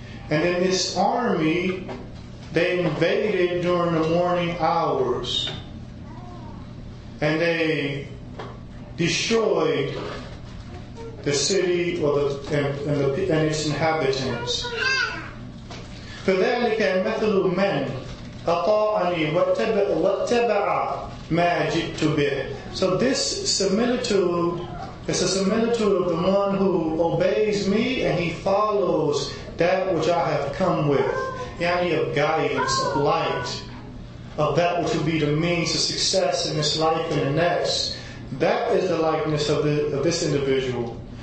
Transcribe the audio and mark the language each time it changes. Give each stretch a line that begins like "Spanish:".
English: And then this army, they invaded during the morning hours. And they destroyed the city or and its inhabitants.
Arabic: فذلك مثل من أطاعني واتبع ما جئت به.
English: So this similitude is a similitude of the one who obeys me and he follows that which I have come with. Yani of guidance, of light, of that which will be the means of success in this life and the next. That is the likeness of this individual.